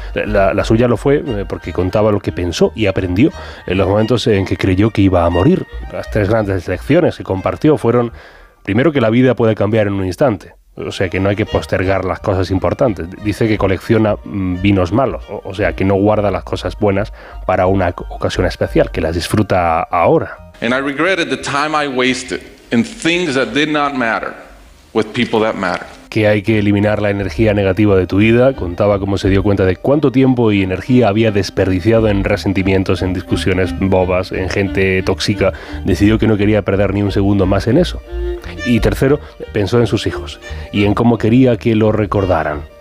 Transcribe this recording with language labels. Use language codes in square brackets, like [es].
[es] La suya lo fue porque contaba lo que pensó y aprendió en los momentos en que creyó que iba a morir. Las tres grandes lecciones que compartió fueron, primero, que la vida puede cambiar en un instante. O sea, que no hay que postergar las cosas importantes. Dice que colecciona vinos malos, o sea, que no guarda las cosas buenas para una ocasión especial, que las disfruta ahora. [en] And I regretted the time I wasted in things that did not matter with people that matter. [es] Que hay que eliminar la energía negativa de tu vida. Contaba cómo se dio cuenta de cuánto tiempo y energía había desperdiciado en resentimientos, en discusiones bobas, en gente tóxica. Decidió que no quería perder ni un segundo más en eso. Y tercero, pensó en sus hijos y en cómo quería que lo recordaran.